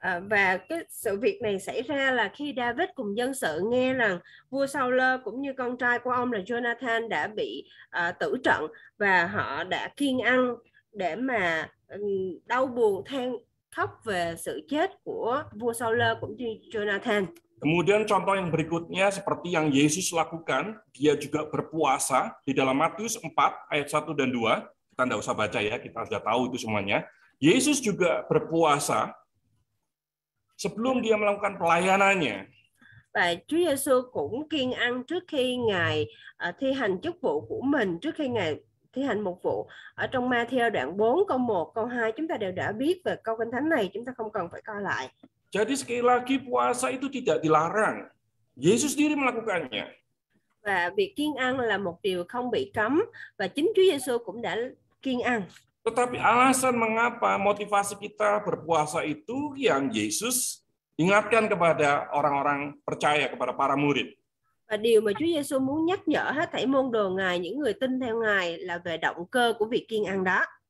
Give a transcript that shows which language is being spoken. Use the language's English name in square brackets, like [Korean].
[Vietnamese] Và cái sự việc này xảy ra là khi David cùng dân sự nghe rằng vua Saul cũng như con trai của ông là Jonathan đã bị tử trận, và họ đã kiêng ăn để mà đau buồn than khóc về sự chết của vua Saul cũng như Jonathan. [Indonesian] Kemudian contoh yang berikutnya seperti yang Yesus lakukan, dia juga berpuasa di dalam Matius 4 ayat 1 dan 2. Kita enggak usah baca ya, kita sudah tahu itu semuanya. Yesus juga berpuasa sebelum dia melakukan pelayanannya. [Vietnamese] Và Chúa Giêsu cũng kiêng ăn trước khi Ngài thi hành chức vụ của mình, trước khi Ngài thi hành một vụ. Ở trong Matthew đoạn 4 câu 1, câu 2 chúng ta đều đã biết về câu kinh thánh này, chúng ta không cần phải coi lại. [Indonesian] Jadi sekali lagi puasa itu tidak dilarang. Yesus sendiri melakukannya. [Vietnamese] Và việc kiêng ăn là một điều không bị cấm, và chính Chúa Giêsu cũng đã kiêng ăn. [Indonesian] Tetapi alasan mengapa motivasi kita berpuasa itu yang Yesus ingatkan kepada orang-orang percaya, kepada para murid. [Vietnamese] Và điều mà Chúa Giêsu muốn nhắc nhở hết thảy môn đồ Ngài, những người tin theo Ngài, là về động cơ của việc kiêng ăn đó.